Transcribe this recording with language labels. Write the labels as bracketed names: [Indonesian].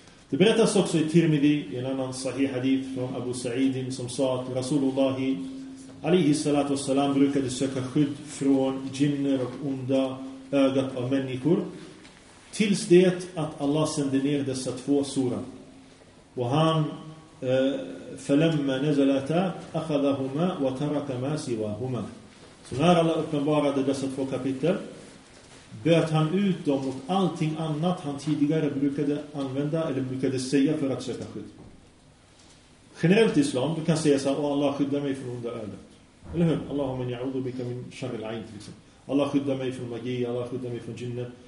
[Swedish] Det berättas också i Tirmidhi i en annan sahih hadith från Abu Sa'idin som sa att Rasulullah alaihi salatu wassalam brukade söka skydd från jinner och onda ögat av människor tills det att Allah sände ner dessa två surer. Och han [Arabic] فَلَمَّ نَزَلَتَا أَخَذَهُمَا وَتَرَكَ مَا سِوَهُمَا. [Swedish] Så när Allah uppenbarade dessa två kapitel böt han ut dem mot allting annat han tidigare brukade använda eller brukade säga för att söka skydd. Generellt islam, du kan säga så här, Allah skyddar mig från onda ögat. Eller hur? [Arabic] Allahumma ya'udhu bika min sharri al-'ayn. [Swedish] Allah skyddar mig från magi, Allah skyddar mig från jinn.